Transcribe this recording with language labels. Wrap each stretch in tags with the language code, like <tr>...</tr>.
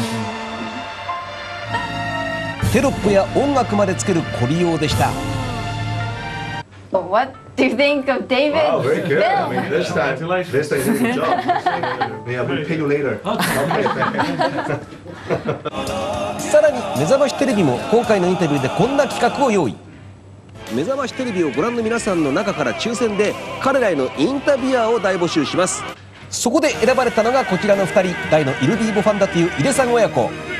<ja>thing. テロップや音楽までつけるコリ用でした。</ja> <en>But what do you think of David? Wow, very good. I mean, this time, this time did a good job. Yeah, we'll pay you later. Okay.</en> <ja>さらに目覚ましテレビも今回のインタビューでこんな企画を用意。目覚ましテレビをご覧の皆さんの中から抽選で彼らへのインタビュアーを大募集します。そこで選ばれたのがこちらの2人、大のイルビーボファンだという井出さん親子。</ja>